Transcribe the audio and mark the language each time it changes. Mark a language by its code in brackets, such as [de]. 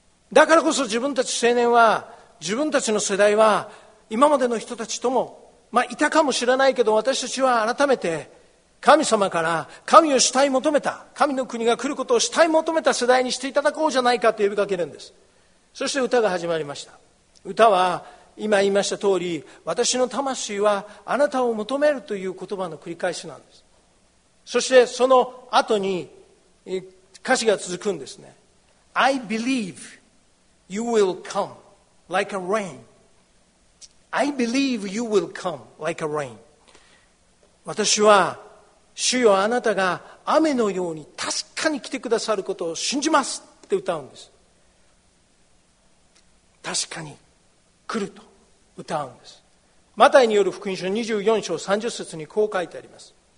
[ja] だからこそ自分たち青年は、自分たちの世代は、今までの人たちとも、まあいたかもしれないけど、私たちは改めて神様から神を主体求めた、神の国が来ることを主体求めた世代にしていただこうじゃないかと呼びかけるんです。そして歌が始まりました。歌は今言いました通り、私の魂はあなたを求めるという言葉の繰り返しなんです。そしてその後に歌詞が続くんですね。 [en] I believe you will come like a rain. I believe you will come like a rain. [ja] 私は主よあなたが雨のように確かに来てくださることを信じますって歌うんです。確かに来ると歌うんです。マタイによる福音書24章30節にこう書いてあります。